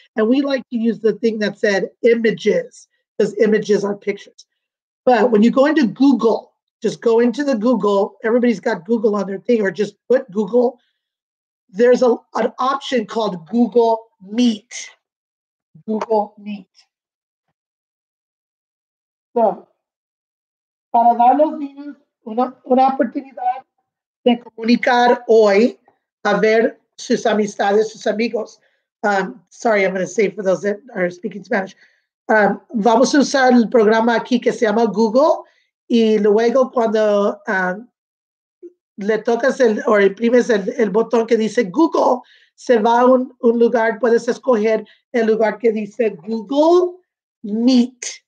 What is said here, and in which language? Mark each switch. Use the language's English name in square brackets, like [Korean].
[English] And we like to use the thing that said images, because images are pictures. But when you go into Google, just go into the Google, everybody's got Google on their thing, or just put Google, there's an option called Google Meet. Google Meet. [Spanish] So, para darnos una oportunidad de comunicar hoy a ver sus amistades, sus amigos. [English] Sorry, I'm going to say for those that are speaking Spanish. [Spanish] Vamos a usar el programa aquí que se llama Google, y luego cuando le tocas el, o imprimes el botón que dice Google, se va a un lugar, puedes escoger el lugar que dice Google Meet.